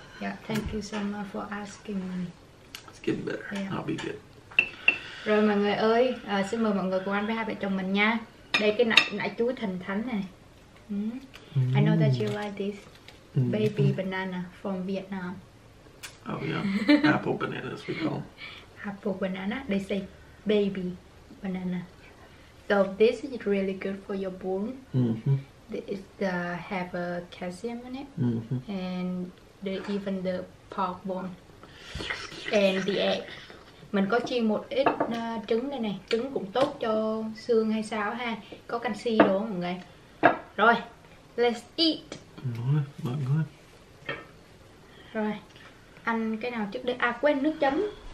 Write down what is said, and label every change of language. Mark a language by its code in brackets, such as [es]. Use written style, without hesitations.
[en] Yeah, thank you so much for asking me. It's getting better. Yeah. I'll be good. [vi] Rồi mọi người ơi, xin mời mọi người cùng ăn với hai vợ chồng mình nha. Đây cái nải chuối thần thánh này. [en] I know that you like this baby banana from Vietnam. Oh yeah, apple bananas we call. Apple banana. They say baby banana. So this is really good for your bone. It's the have a calcium in it, and the even the pork bone and the egg. [vi] Mình có chiên một ít trứng đây này, trứng cũng tốt cho xương hay sao ha, có canxi đó mọi người. [en] Rồi, let's eat. [vi] Rồi, mọi người. Rồi, ăn cái nào trước đây? À quên nước chấm.